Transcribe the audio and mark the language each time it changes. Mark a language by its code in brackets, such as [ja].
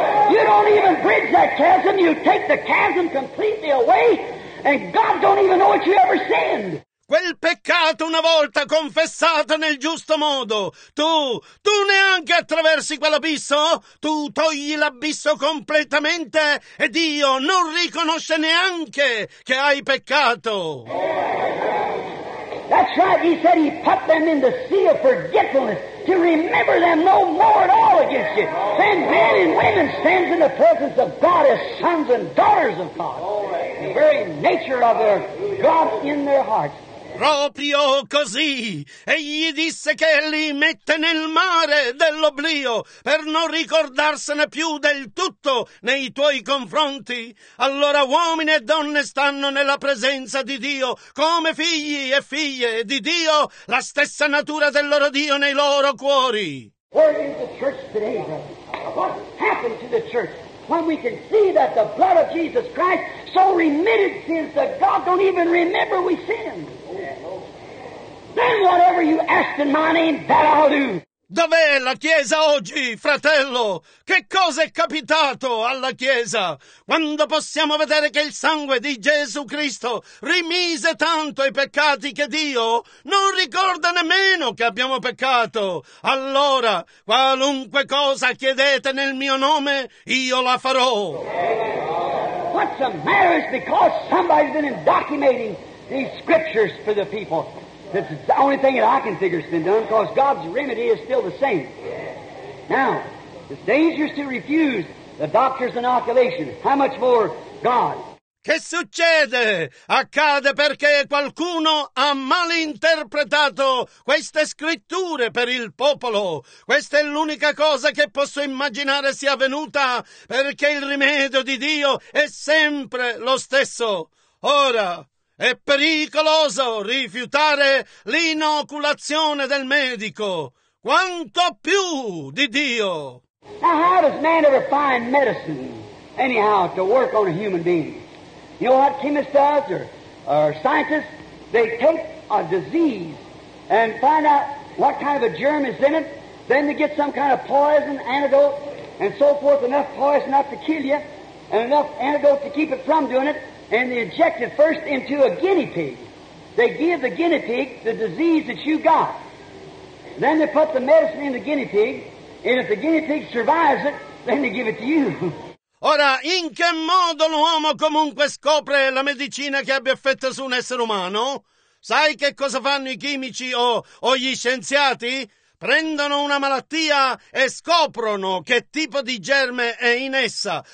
[en] You don't even bridge that chasm. You take the chasm completely away, and God don't even know what you ever sinned. [it] Quel peccato una volta confessato nel giusto modo, tu neanche attraversi quell'abisso, tu togli l'abisso completamente e Dio non riconosce neanche che hai peccato. [en] That's right. He said he put them in the sea of forgetfulness. To remember them no more at all against you. Then men and women stand in the presence of God as sons and daughters of God. The very nature of their God in their hearts. [it] Proprio così. Egli disse che li mette nel mare dell'oblio per non ricordarsene più del tutto nei tuoi confronti. Allora uomini e donne stanno nella presenza di Dio come figli e figlie di Dio, la stessa natura del loro Dio nei loro cuori. [en] Where is the church today, brother? What happened to the church when we can see that the blood of Jesus Christ so remitted sins that God don't even remember we sinned? Then whatever you ask in my name, that I'll do. [it] Dov'è la Chiesa oggi, fratello? Che cosa è capitato alla Chiesa? Quando possiamo vedere che il sangue di Gesù Cristo rimise tanto i peccati che Dio non ricorda nemmeno che abbiamo peccato. Allora, qualunque cosa chiedete nel mio nome, io la farò. [en] What's the matter is because somebody's been documenting these scriptures for the people. This is the only thing that I can figure has been done, because God's remedy is still the same. Now, it's dangerous to refuse the doctor's inoculation. How much more God? [it] Che succede? Accade perché qualcuno ha malinterpretato queste scritture per il popolo. Questa è l'unica cosa che posso immaginare sia avvenuta, perché il rimedio di Dio è sempre lo stesso. Ora, è pericoloso rifiutare l'inoculazione del medico, quanto più di Dio. [en] Now how does man ever find medicine anyhow to work on a human being? You know what chemists does, or scientists? They take a disease and find out what kind of a germ is in it. Then they get some kind of poison, antidote, and so forth, enough poison enough to kill you, and enough antidote to keep it from doing it, and they inject it first into a guinea pig. They give the guinea pig the disease that you got. Then they put the medicine in the guinea pig, and if the guinea pig survives it, then they give it to you. [it] Ora, in che modo l'uomo comunque scopre la medicina che abbia effetto su un essere umano? Sai che cosa fanno i chimici o gli scienziati? Prendono una malattia e scoprono che tipo di germe è in essa.